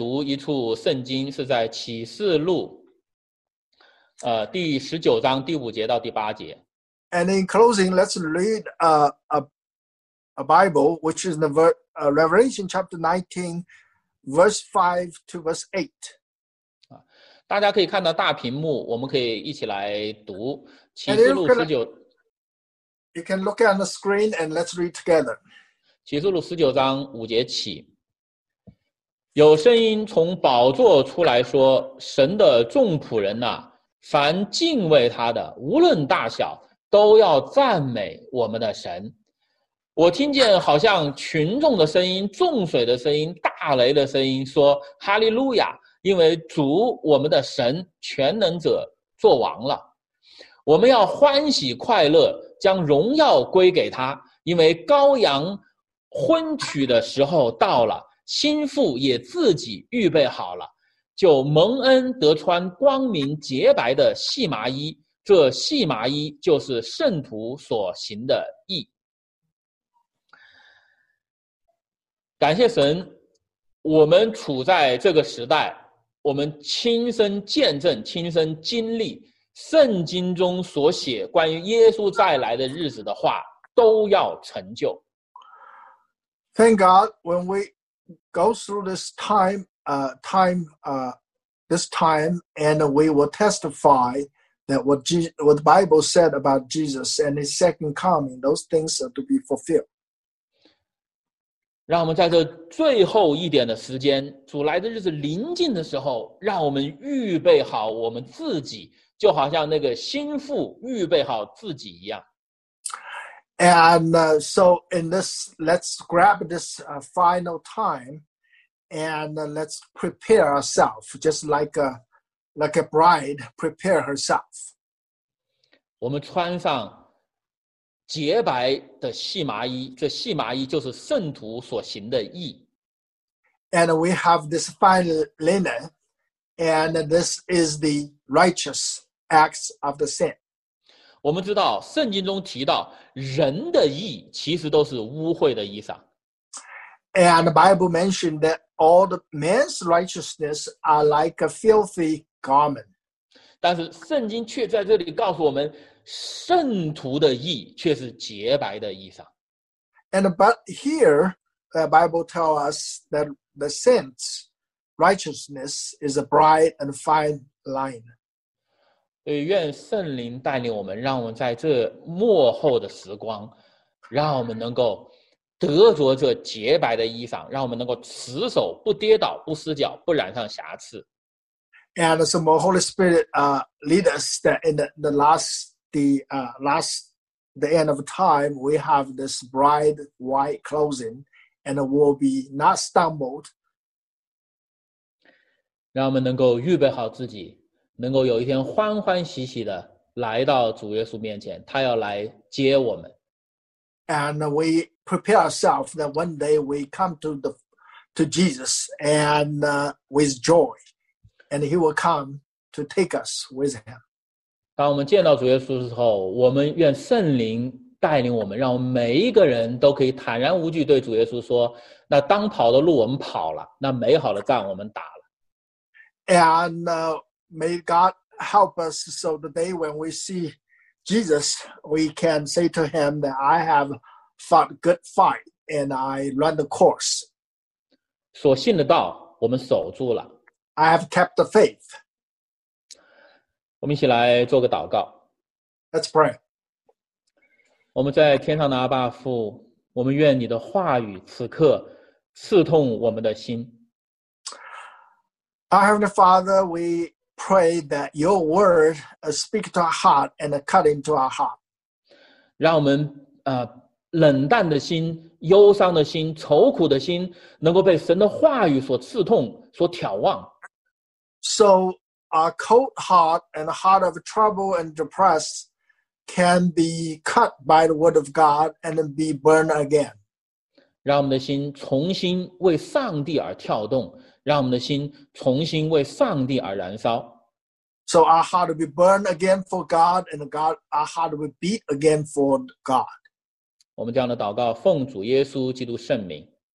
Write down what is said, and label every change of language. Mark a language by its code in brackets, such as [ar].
[zh] 我们最后一起来读一处圣经，是在启示录。第19章第5节到第8节。 [en] And in closing, let's read a Bible, which is the Revelation chapter 19, verse 5 to verse 8. [zh] 大家可以看到大屏幕，我们可以一起来读启示录19。 [en] You can look on the screen and let's read together. [zh] 启示录19章5节起。有声音从宝座出来说，神的众仆人啊。凡敬畏他的，无论大小，都要赞美我们的神。我听见好像群众的声音、众水的声音、大雷的声音，说：“哈利路亚！因为主我们的神全能者作王了。我们要欢喜快乐，将荣耀归给他，因为羔羊婚娶的时候到了，心腹也自己预备好了，就蒙恩得穿光明洁白的细麻衣，这细麻衣就是圣徒所行的义。感谢神，我们处在这个时代，我们亲身见证，亲身经历圣经中所写关于耶稣再来的日子的话都要成就。 [en] Thank God when we go through this time and we will testify that what the Bible said about Jesus and his second coming, those things are to be fulfilled. [zh] 让我们在这最后一点的时间，主来的日子临近的时候，让我们预备好我们自己，就好像那个心腹预备好自己一样。 [en] And so in this, let's grab this final time and let's prepare ourselves, just like a bride prepare herself. [zh] 我们穿上洁白的细麻衣，这细麻衣就是圣徒所行的义。 [en] And we have this fine linen, and this is the righteous acts of the saint. [zh] 我们知道圣经中提到人的义其实都是污秽的衣裳。 [en] And the Bible mentioned that all the man's righteousness are like a filthy garment. [zh] 但是圣经却在这里告诉我们圣徒的义却是洁白的衣裳。 [en] And but here, the Bible tells us that the saint's righteousness is a bright and fine linen. [zh] 所以愿圣灵带领我们，让我们在这末后的时光，让我们能够得着这洁白的衣裳，让我们能够持守，不跌倒，不失脚，不染上瑕疵。 [en] And so the Holy Spirit lead us that in the end of time, we have this bright white clothing and will be not stumbled. [zh] 让我们能够预备好自己，能够有一天欢欢喜喜的来到主耶稣面前，他要来接我们。 [en] And we prepare ourselves that one day we come to Jesus and with joy, and he will come to take us with him. [zh] 当我们见到主耶稣之后，我们愿圣灵带领我们，让我们每一个人都可以坦然无惧对主耶稣说，那当跑的路我们跑了，那美好的仗我们打了。 [en] And may God help us so the day when we see Jesus, we can say to him that I have fought good fight and I run the course. [zh] 所信的道我们守住了。 [en] I have kept the faith. [zh] 我们一起来做个祷告。 [en] Let's pray. [zh] 我们在天上的阿爸父，我们愿你的话语此刻刺痛我们的心。 [en] Our Heavenly Father, we pray that your word speak to our heart and cut into our heart. [zh] 让我们冷淡的心，忧伤的心，愁苦的心，能够被神的话语所刺痛，所眺望。 [en] So our cold heart and the heart of trouble and depressed can be cut by the word of God and be burned again. [zh] 让我们的心重新为上帝而跳动，让我们的心重新为上帝而燃烧。 [en] So our heart will be burned again for God, and God, our heart will beat again for God. [zh] 我们这样的祷告，奉主耶稣基督圣名。